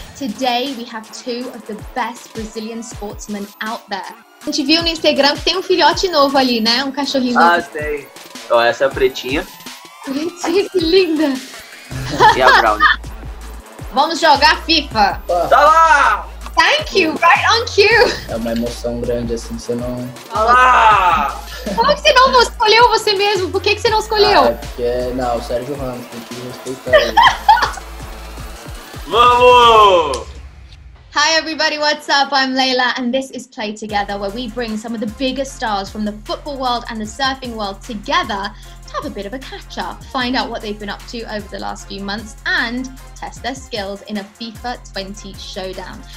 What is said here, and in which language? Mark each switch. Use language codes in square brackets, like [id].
[en] Today we have two of the best Brazilian sportsmen out there. [pt] A gente viu no Instagram que tem um filhote novo ali, né? Um cachorrinho novo. Ah, tem. Ó, essa é a pretinha. Pretinha, que linda! E a brown? Vamos jogar FIFA! Tá lá! [en] Thank you, right on cue! [pt] É uma emoção grande, assim, você não... Tá lá! Como que você não escolheu você mesmo? Por que que você não escolheu? Ah, porque... Não, o Sérgio Ramos, tem que respeitar ele. Vamos! [en] Hi everybody, what's up? I'm Leila and this is Play Together, where we bring some of the biggest stars from the football world and the surfing world together to have a bit of a catch up, find out what they've been up to over the last few months and test their skills in a FIFA 20 showdown.